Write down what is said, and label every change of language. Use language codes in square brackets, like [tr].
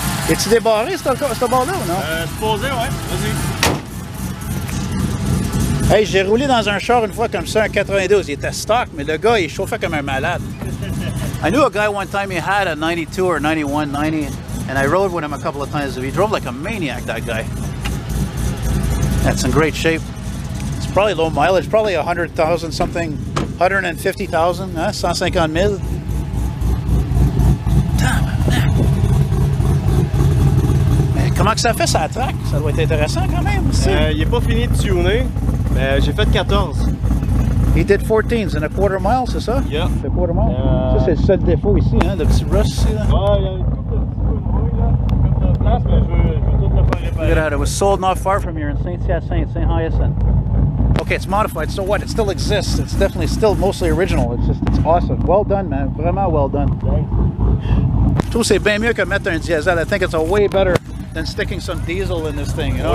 [fr] Es-tu débarré, ce bord-là, ou non? Supposé, ouais. Vas-y. Hey, j'ai roulé dans un char une fois comme ça, un 92. Il était stock, mais le gars, il chauffait comme un malade. [en] I knew a guy one time, he had a 92 or 91, 90, and I rode with him a couple of times. He drove like a maniac, that guy. That's in great shape. It's probably low mileage, probably 100,000 something, 150,000, huh? 150 mil. [fr] Comment que ça fait ça attaque? Ça doit être intéressant quand même aussi. Il est pas fini de tuner, mais j'ai fait 14. [en] He did 14s in a quarter mile, [fr] c'est ça? [en] Yeah. A quarter mile. [fr] Ça c'est le seul défaut ici, hein, le petit rust ici. Ah, il y a une couple de petits bruits là. [en] Look at that, it was sold not far from here in Saint-Hyacinthe, Saint-Hyacinthe. Okay, it's modified, so what? It still exists. It's definitely still mostly original. It's just, it's awesome. Well done, man. Vraiment well done. Thanks. [fr] Je trouve que c'est bien mieux que mettre un diesel. [en] I think it's a way better than sticking some diesel in this thing, you know?